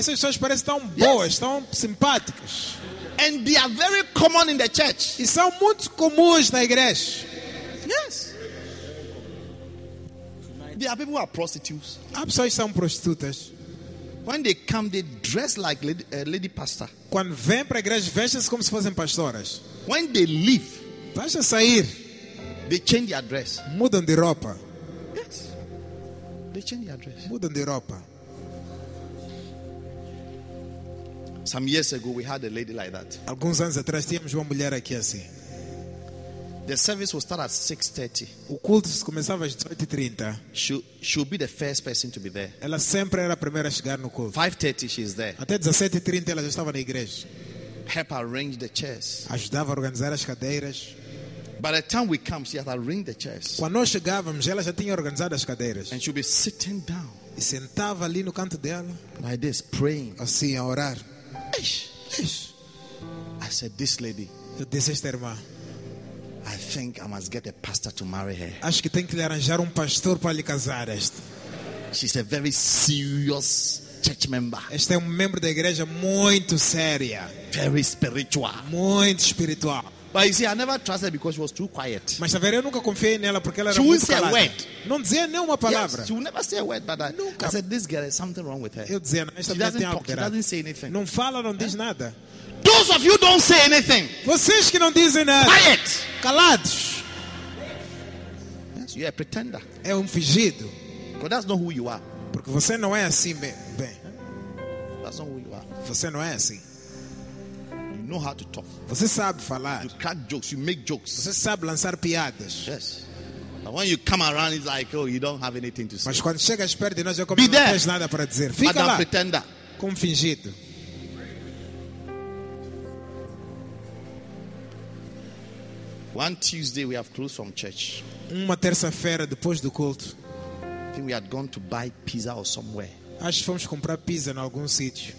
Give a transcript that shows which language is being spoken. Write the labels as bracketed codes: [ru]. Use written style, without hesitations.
[pt] Essas pessoas parecem tão boas, tão simpáticas. [en] And they are very common in the church. [pt] E são muito comuns na igreja. [en] Yes. There are people who are prostitutes. [pt] Há pessoas que são prostitutas. [en] When they come, they dress like lady pastor. [pt] Quando vêm para a igreja, vestem-se como se fossem pastoras. [en] When they leave, [pt] basta sair, [en] they change their dress. [pt] Mudam de roupa. [en] Yes. They change their dress. [pt] Mudam de roupa. [en] Some years ago, we had a lady like that. [pt] Alguns anos atrás, tínhamos uma mulher aqui assim. [en] The service will start at 6:30. [pt] O culto começava às 8:30. [en] She will be the first person to be there. [pt] Ela sempre era a primeira a chegar no culto. [en] 5:30, she is there. [pt] Até 17:30, ela já estava na igreja. [en] Help arrange the chairs. [pt] Ajudava a organizar as cadeiras. [en] By the time we come, she had arranged the chairs. [pt] Quando nós chegávamos, ela já tinha organizado as cadeiras. [en] And she will be sitting down. [pt] E sentava ali no canto dela. [en] Like this, praying. [pt] Assim, a orar. [en] I said, this lady. [pt] Eu disse, esta irmã. [en] I think I must get a pastor to marry her. [pt] Acho que tenho que lhe arranjar pastor para lhe casar esta. [en] She's a very serious church member. [pt] Esta é membro da igreja muito séria. [en] Very spiritual. [pt] Muito espiritual. [en] But you see, I never trusted her because she was too quiet. [pt] Mas tá vendo, eu nunca confiei nela porque ela era [en] she [pt] muito calada. [en] She would say a word. [pt] Não dizia nenhuma palavra. [en] Yes, she would never say a word, but [pt] nunca. [en] I said, this girl, there's something wrong with her. [pt] Eu dizia, não, esta [en] she doesn't talk, she doesn't say anything. [pt] Não fala, não diz nada. [en] Those of you don't say anything. [pt] Vocês que não dizem nada. [en] Quiet. [pt] Calados. [en] Yes, you're a pretender. [pt] É fingido. [en] Because that's not who you are. [pt] Porque você não é assim, bem. [en] That's not who you are. [pt] Você não é assim. [en] know how to talk. [pt] Você sabe falar. [en] You crack jokes, you make jokes. [pt] Você sabe lançar piadas. [en] Yes. But when you come around, it's like, oh, you don't have anything to say. [pt] Mas quando chega perto de nós, eu como não tens nada para dizer. Fica Madame lá. [en] Pretender. [pt] Como fingido. [en] One Tuesday we have closed from church. [pt] Uma terça-feira depois do culto. [en] I think we had gone to buy pizza or somewhere. [pt] Acho que fomos comprar pizza em algum sítio.